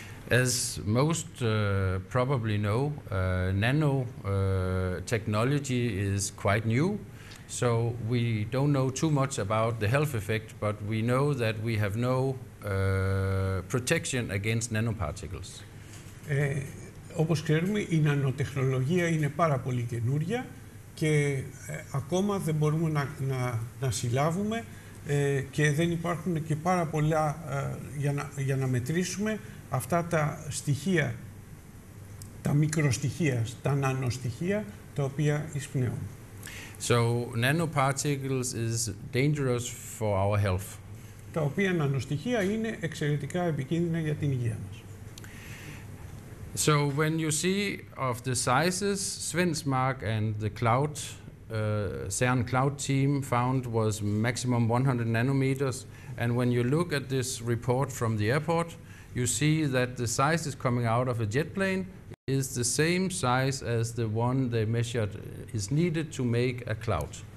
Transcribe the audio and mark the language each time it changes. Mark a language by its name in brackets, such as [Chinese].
[English] As most probably know, nanotechnology is quite new, so we don't know too much about the health effect, but we know that we have no protection against nanoparticles. [Greek] όπως ξέρουμε, η νανοτεχνολογία είναι πάρα πολύ καινούρια και ακόμα δεν μπορούμε να συλλάβουμε και δεν υπάρχουν και πάρα πολλά για να μετρήσουμε αυτά τα στοιχεία, τα μικροστοιχεία, τα νανοστοιχεία, τα οποία εισπνέουν. [English] So nanoparticles is dangerous for our health. [Greek] Τα οποία νανοστοιχεία είναι εξαιρετικά επικίνδυνα για την υγεία μας. [English] So when you see of the sizes, Svensmark and the cloud, CERN cloud team found was maximum 100 nanometers. And when you look at this report from the airport, you see that the size is coming out of a jet plane is the same size as the one they measured is needed to make a cloud.